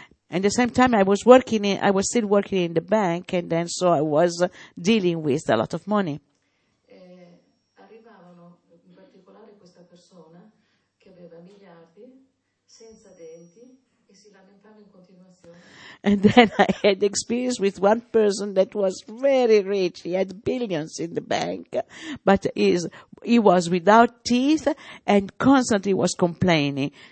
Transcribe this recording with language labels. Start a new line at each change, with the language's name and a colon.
English: And at the same time, I was still working in the bank, and then so I was dealing with a lot of money.
Italian: Arrivavano in particolare questa persona che aveva miliardi senza denti e si lamentava in continuazione.
English: And then I had experience with one person that was very rich. He had billions in the bank, but he was without teeth and constantly was complaining.